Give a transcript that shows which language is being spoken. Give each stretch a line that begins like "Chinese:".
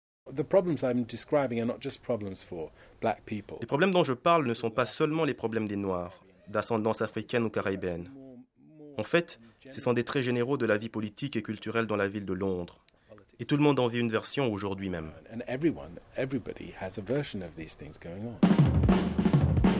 English: The problems I'm describing are not just problems for black people.
French: Les problèmes dont je parle ne sont pas seulement les problèmes des Noirs, d'ascendance africaine ou caribéenne. En fait, ce sont des traits généraux de la vie politique et culturelle dans la ville de Londres. Et tout le monde en vit une version aujourd'hui même.
English: And everybody has a version of these things going on.